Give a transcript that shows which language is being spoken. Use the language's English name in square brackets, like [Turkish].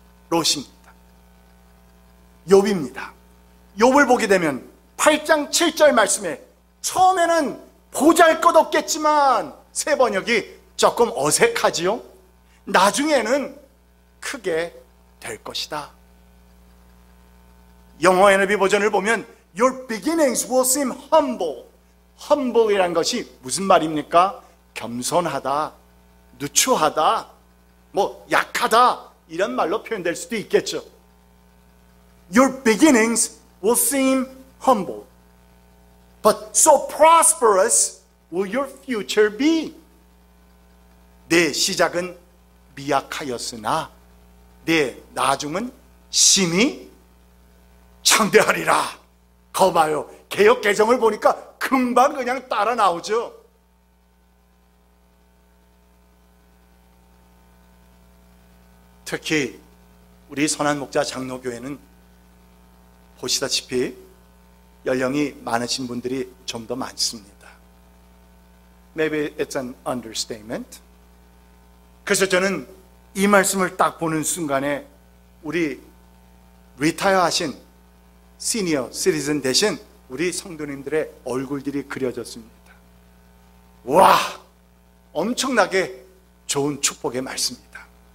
[Korean] 롯입니다. 욥입니다. 욥을 보게 되면 8장 7절 말씀에 처음에는 보잘것없겠지만, 새 번역이 조금 어색하지요? 나중에는 크게 될 것이다. 영어 NIV 버전을 보면 [English] Your beginnings will seem humble. [Korean] Humble이란 것이 무슨 말입니까? 겸손하다, 누추하다, 뭐 약하다, 이런 말로 표현될 수도 있겠죠. [English] Your beginnings will seem humble, but so prosperous will your future be. [Korean] 내 시작은 미약하였으나 내 나중은 심히 창대하리라. 거 봐요. 개역 개정을 보니까 금방 그냥 따라 나오죠. 특히 우리 선한 목자 장로교회는 보시다시피 연령이 많으신 분들이 좀 더 많습니다. [English] Maybe it's an understatement. [Korean] 그래서 저는 이 말씀을 딱 보는 순간에 우리 리타이어 하신 시니어 시티즌 대신 우리 성도님들의 얼굴들이 그려졌습니다. 와, 엄청나게 좋은 축복의 말씀입니다.